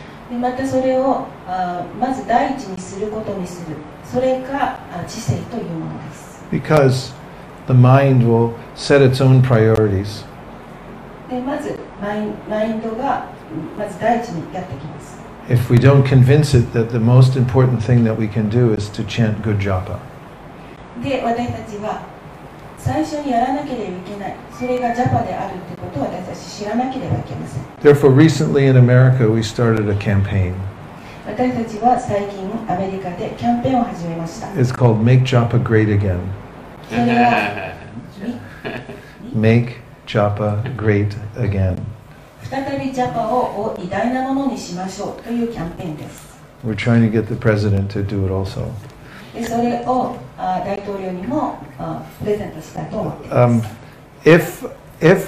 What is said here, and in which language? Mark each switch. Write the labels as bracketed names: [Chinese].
[Japanese] またそれをまず第一にすることにする。それが知性というものです。 [English] Because the mind will set its own priorities. [Japanese] で、まずマインドがまず第一にやってきます。 [English] If we don't convince it that the most important thing that we can do is to chant good japa. [Japanese] で、私たちは最初にやらなければいけない。それがジャパであるということを私たち知らなければいけません。 [English] Therefore, recently in America, we started a campaign. [Japanese] 私たちは最近アメリカでキャンペーンを始めました。 [English] It's called Make Japa Great Again. [Japanese] それは [English] Make Japa Great Again. [Japanese] 再びジャパを偉大なものにしましょうというキャンペーンです。 [English] We're trying to get the president to do it also. [Japanese] それを大統領にもプレゼントしたいと思っています。